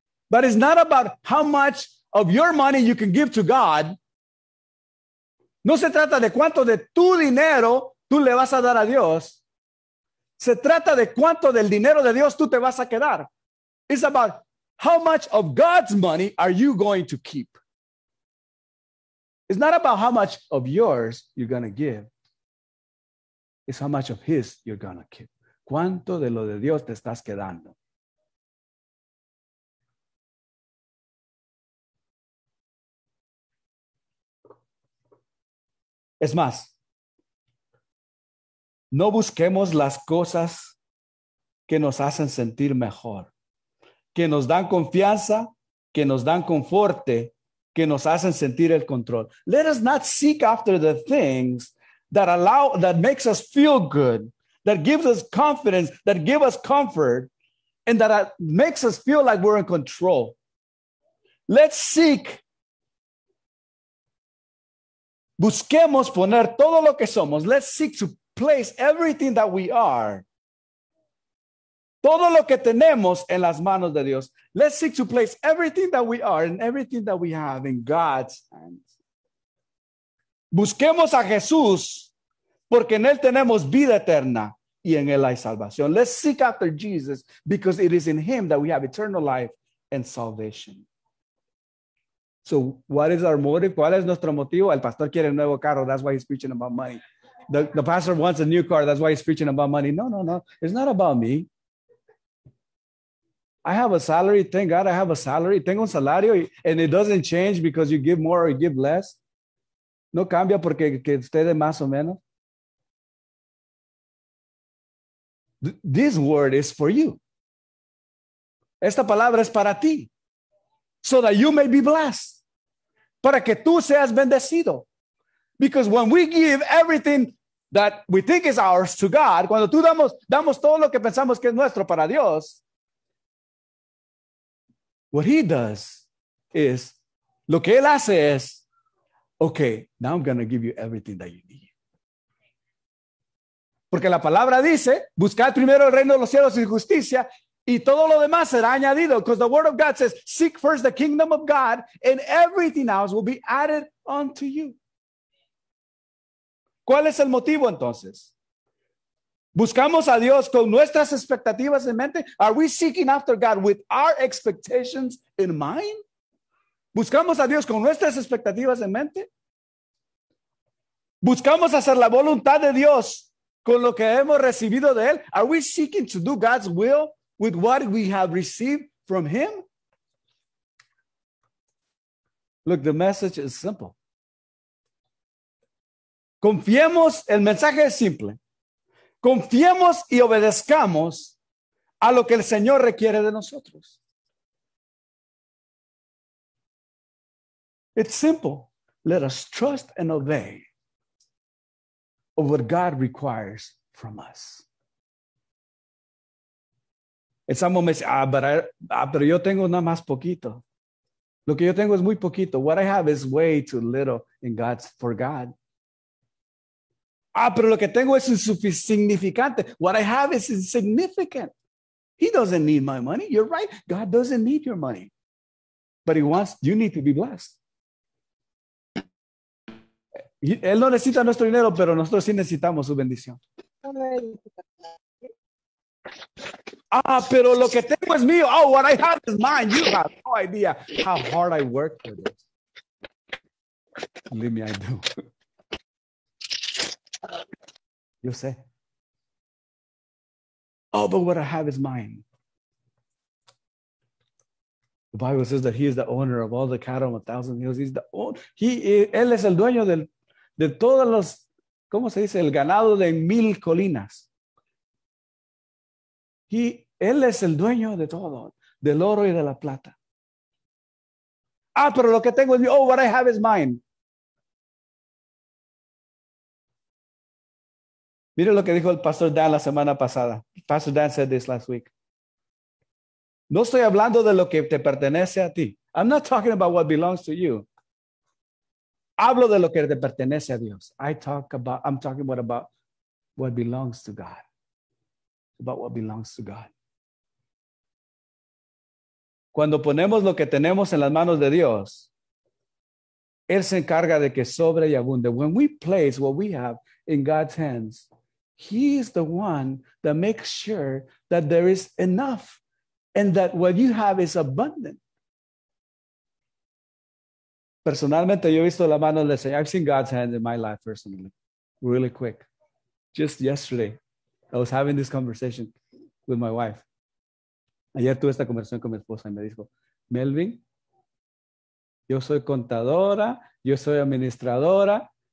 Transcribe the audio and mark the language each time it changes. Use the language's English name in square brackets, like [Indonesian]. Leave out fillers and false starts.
[English] But it's not about how much of your money you can give to God. [Spanish] No se trata de cuánto de tu dinero tú le vas a dar a Dios. Se trata de cuánto del dinero de Dios tú te vas a quedar. [English] It's about how much of God's money are you going to keep. It's not about how much of yours you're going to give. It's how much of his you're going to keep. [Spanish] ¿Cuánto de lo de Dios te estás quedando? Es más, no busquemos las cosas que nos hacen sentir mejor, que nos dan confianza, que nos dan conforte, que nos hacen sentir el control. [English] Let us not seek after the things that makes us feel good, that gives us confidence, that give us comfort, and that makes us feel like we're in control. Let's seek. [Spanish] Busquemos poner todo lo que somos. [English] Let's seek to place everything that we are. [Spanish] Todo lo que tenemos en las manos de Dios. [English] Let's seek to place everything that we are and everything that we have in God's hands. [Spanish] Busquemos a Jesús porque en él tenemos vida eterna. y en él hay salvación. [English] Let's seek after Jesus because it is in him that we have eternal life and salvation. So what is our motive? [Spanish] ¿Cuál es nuestro motivo? El pastor quiere un nuevo carro. [English] That's why he's preaching about money. The pastor wants a new car. That's why he's preaching about money. No, no, no. It's not about me. I have a salary. Thank God I have a salary. [Spanish] Tengo un salario. [English] And it doesn't change because you give more or you give less. [Spanish] No cambia porque que usted es más o menos. [English] This word is for you. [Spanish] Esta palabra es para ti. [English] So that you may be blessed. [Spanish] Para que tú seas bendecido. [English] Because when we give everything that we think is ours to God, [Spanish] cuando tú damos todo lo que pensamos que es nuestro para Dios, [English] what he does is, [Spanish] lo que él hace es, [English] okay, now I'm going to give you everything that you need. [Spanish] Porque la palabra dice, buscad primero el reino de los cielos y justicia, y todo lo demás será añadido. [English] Because the word of God says, seek first the kingdom of God, and everything else will be added unto you. [Spanish] ¿Cuál es el motivo entonces? ¿Buscamos a Dios con nuestras expectativas en mente? [English] Are we seeking after God with our expectations in mind? [Spanish] ¿Buscamos a Dios con nuestras expectativas en mente? ¿Buscamos hacer la voluntad de Dios con lo que hemos recibido de Él? [English] Are we seeking to do God's will with what we have received from Him? Look, the message is simple. [Spanish] Confiemos, el mensaje es simple. Confiemos y obedezcamos a lo que el Señor requiere de nosotros. [English] It's simple. Let us trust and obey of what God requires from us. [Spanish] En [English] some moments, [Spanish] pero yo tengo nada más poquito. Lo que yo tengo es muy poquito. [English] What I have is way too little in God's for God. [Spanish] Pero lo que tengo es insignificante. [English] What I have is insignificant. He doesn't need my money. You're right. God doesn't need your money. But he wants, you need to be blessed. [Spanish] Él no necesita nuestro dinero, pero nosotros sí necesitamos su bendición. Pero lo que tengo es mío. [English] Oh, what I have is mine. You have no idea how hard I work for this. Believe me, I do. [Spanish] Yo sé. [English] Oh, but what I have is mine. The Bible says that he is the owner of all the cattle on 1,000 hills. He's the owner. [Spanish] Él es el dueño de todos los, ¿cómo se dice? El ganado de 1,000 colinas. Él es el dueño de todo, del oro y de la plata. Pero lo que tengo es mío. [English] Oh, what I have is mine. [Spanish] Mire lo que dijo el Pastor Dan la semana pasada. [English] Pastor Dan said this last week. [Spanish] No estoy hablando de lo que te pertenece a ti. [English] I'm not talking about what belongs to you. [Spanish] Hablo de lo que te pertenece a Dios. [English] I'm talking about what belongs to God. About what belongs to God. [Spanish] Cuando ponemos lo que tenemos en las manos de Dios, Él se encarga de que sobre y abunde. [English] When we place what we have in God's hands, He is the one that makes sure that there is enough and that what you have is abundant. [Spanish] Personalmente, yo he visto la mano del Señor. [English] I've seen God's hand in my life personally, really quick. Just yesterday, I was having this conversation with my wife. [Spanish] Ayer tuve esta conversación con mi esposa y me dijo, Melvin, yo soy contadora, yo soy administradora.